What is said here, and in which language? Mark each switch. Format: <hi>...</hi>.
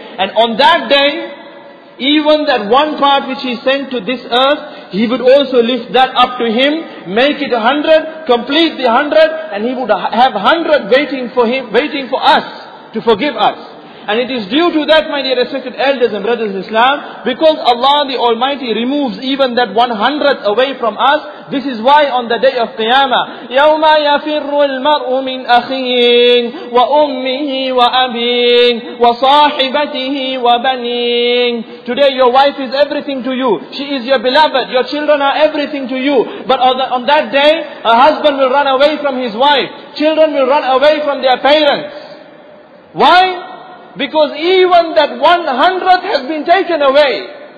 <en>And on that day, even that one part which He sent to this earth, He would also lift that up to Him, make it 100, complete the 100, and He would have 100 waiting for Him, waiting for us to forgive us. And it is due to that, my dear respected elders and brothers in Islam, because Allah the Almighty removes even that 100th away from us. This is why on the day of Qiyamah,</en> <ar>يَوْمَ يَفِرُّ الْمَرْءُ مِنْ أَخِيهِ وَأُمِّهِ وَأَبِيهِ وَصَاحِبَتِهِ وَبَنِيهِ.</ar> <en>Today your wife is everything to you. She is your beloved. Your children are everything to you. But on that day, a husband will run away from his wife. Children will run away from their parents. Why? Because even that 100th has been taken away.</en>